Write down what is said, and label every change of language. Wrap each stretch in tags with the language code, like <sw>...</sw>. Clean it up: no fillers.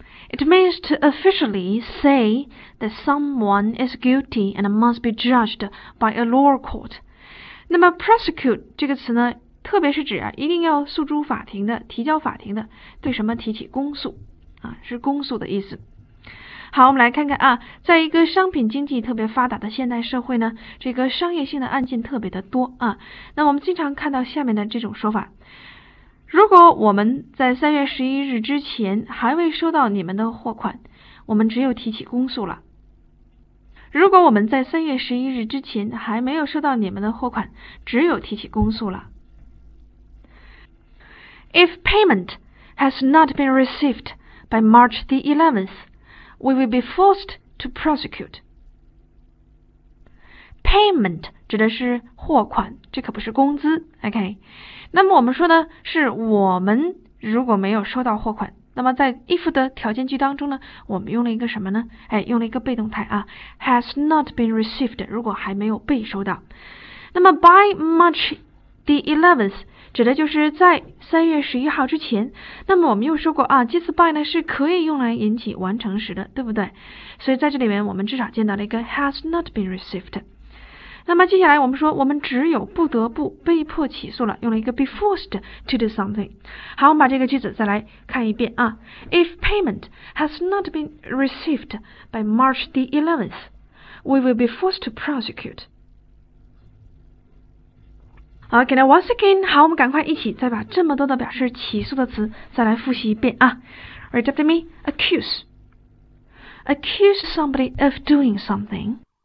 <en>It means to officially say that someone is guilty and must be judged by a lower court.</en> <zh>那么 prosecute 这个词呢，特别是指啊，一定要诉诸法庭的，提交法庭的，对什么提起公诉啊，是公诉的意思。好，我们来看看啊，在一个商品经济特别发达的现代社会呢，这个商业性的案件特别的多啊。那我们经常看到下面的这种说法。如果我们在3月11日之前还未收到你们的货款，我们只有提起公诉了。如果我们在3月11日之前还没有收到你们的货款，只有提起公诉了。</zh> <en>If payment has not been received by March the 11th, we will be forced to prosecute.</en> <zh>Payment 指的是货款，这可不是工资， OK? 那么我们说呢，是我们如果没有收到货款，那么在 if 的条件句当中呢，我们用了一个什么呢？哎，用了一个被动态啊 ，</zh> <en>has not been received，</en> <zh>如果还没有被收到。那么</zh> <en>by March the 11th</en> <zh>指的就是在3月11号之前。那么我们又说过啊，介词 by 呢是可以用来引起完成时的，对不对？所以在这里面我们至少见到了一个</zh> <en>has not been received。</en> <zh>那么接下来我们说，我们只有不得不被迫起诉了，用了一个</zh> <en>be forced to do something。</en> <zh>好，我们把这个句子再来看一遍啊。</zh> <en>If payment has not been received by March the 11th, we will be forced to prosecute. Okay, now once again,</en> <zh>好，我们赶快一起再把这么多的表示起诉的词再来复习一遍啊。</zh> <en>Read after me, accuse. Accuse somebody of doing something.</en>